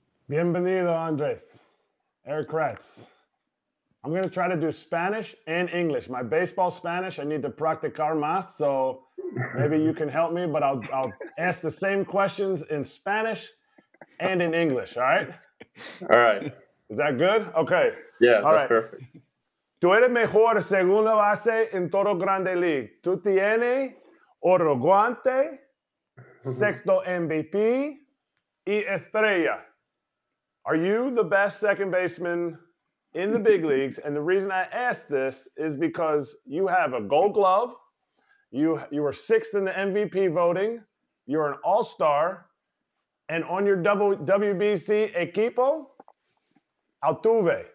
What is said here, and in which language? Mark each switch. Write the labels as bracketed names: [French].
[Spanish] Bienvenido, Andres. Eric Kratz. [English] I'm going to try to do Spanish and English. My baseball Spanish, I need to [Spanish] practicar más, [English] so maybe you can help me, but I'll ask the same questions in Spanish and in English, all right? All right. Is that good? Okay. Yeah, all that's right. Perfect. [Spanish] Tú eres mejor segunda base en todo Grande League. Tú tienes oro guante, sexto MVP y estrella. [English] Are you the best second baseman in the big leagues? And the reason I ask this is because you have a gold glove. You were sixth in the MVP voting. You're an all-star. And on your WBC equipo, Altuve.